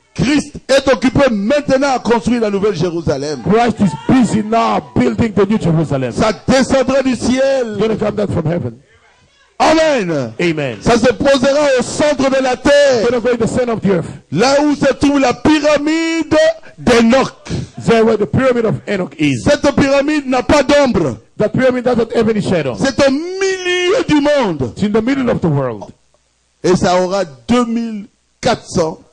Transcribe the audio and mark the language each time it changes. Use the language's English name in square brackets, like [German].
[French] Christ est occupé maintenant à construire la nouvelle Jérusalem. [English] Christ is busy now building the new Jerusalem. [French] Ça descendra du ciel. [English] You're going to come down from heaven. Amen. Amen. [French] Ça se posera au centre de la terre. [English] It's going to be the center of the earth. [French] Là où se trouve la pyramide d'Enoch. [English] There where the pyramid of Enoch is. [French] Cette pyramide n'a pas d'ombre. [English] The pyramid doesn't have any shadow. [French] C'est au milieu du monde. [English] It's in the middle of the world. [French] Et ça aura 2400